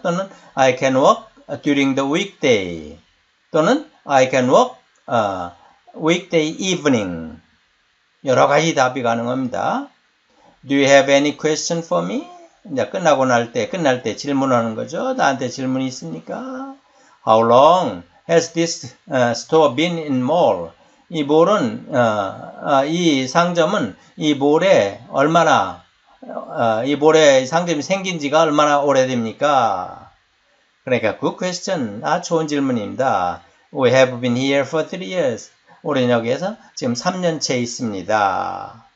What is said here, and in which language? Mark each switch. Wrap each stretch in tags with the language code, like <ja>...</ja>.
<en>또는 I can work during the weekday. 또는 I can work weekday evening.</en> <ko>여러 가지 답이 가능합니다.</ko> <en>Do you have any question for me?</en> <ko>이제 끝나고 날 때, 끝날 때 질문하는 거죠. 나한테 질문이 있습니까?</ko> <en>How long has this store been in mall?</en> <ko>이 몰은 이 상점은 이 몰에 얼마나 이 몰에 상점이 생긴 지가 얼마나 오래됩니까?</ko> <en>그러니까 good question. 아,</en> <ko>좋은 질문입니다.</ko> <en>We have been here for 3 years.</en> <ko>우리는 여기에서 지금 3년째 있습니다.</ko>